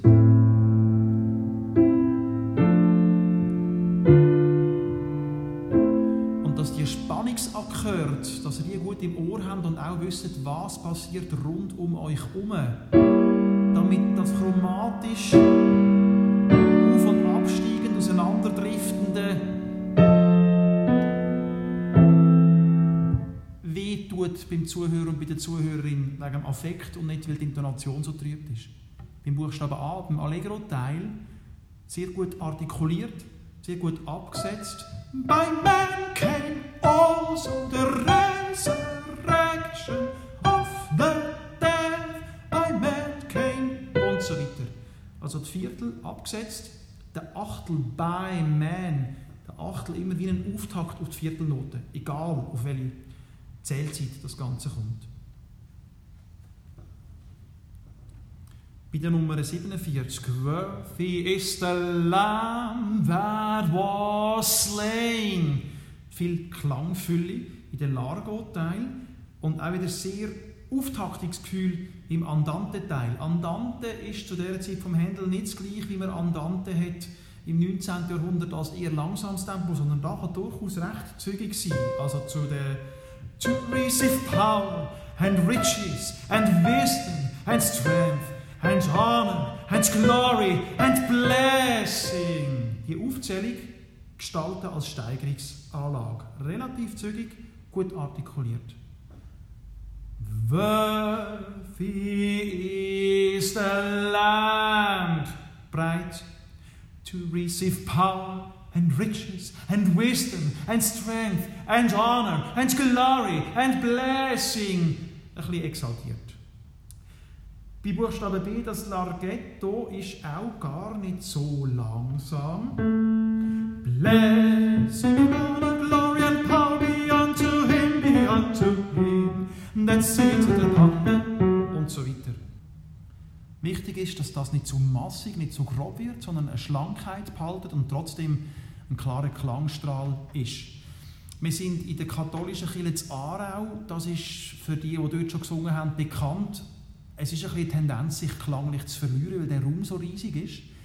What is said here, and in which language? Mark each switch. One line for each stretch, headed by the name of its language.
German: Und dass die Spannungsakkorde, dass ihr die gut im Ohr habt und auch wisst, was passiert rund um euch herum, damit das chromatisch auf- und absteigend, auseinanderdriftende tut beim Zuhörer und bei der Zuhörerin wegen dem Affekt und nicht, weil die Intonation so trübt ist. Beim Buchstaben A, beim Allegro-Teil, sehr gut artikuliert, sehr gut abgesetzt.
English: My man came also the resurrection of the dead. My man came
German: und so weiter. Also die Viertel abgesetzt, der Achtel
English: by man,
German: der Achtel immer wie ein Auftakt auf die Viertelnote, egal auf welche Zählzeit das Ganze kommt. Bei der Nummer 47.
English: Worthy is the Lamb that was slain.
German: Viel Klangfülle in den Largo-Teil und auch wieder sehr Auftaktungsgefühl im Andante-Teil. Andante ist zu der Zeit vom Händel nicht das gleiche, wie man Andante hat im 19. Jahrhundert als eher langsames Tempo, sondern da kann durchaus recht zügig sein. Also zu der
English: to receive power and riches and wisdom and strength and honor and glory and blessing.
German: Die Aufzählung gestalten als Steigerungsanlage. Relativ zügig, gut artikuliert.
English: Worthy is the Lamb.
German: Breit.
English: To receive power and riches, and wisdom, and strength, and honor, and glory, and blessing.
German: Ein bisschen exaltiert. Bei Buchstabe B, das Larghetto, ist auch gar nicht so langsam.
English: Blessing, honor, glory, and power be unto him, that sitteth upon him.
German: Und so weiter. Wichtig ist, dass das nicht zu massig, nicht zu grob wird, sondern eine Schlankheit behaltet und trotzdem ein klarer Klangstrahl ist. Wir sind in der katholischen Kirche zu Aarau. Das ist für die, die dort schon gesungen haben, bekannt. Es ist ein bisschen die Tendenz, sich klanglich zu verlieren, weil der Raum so riesig ist.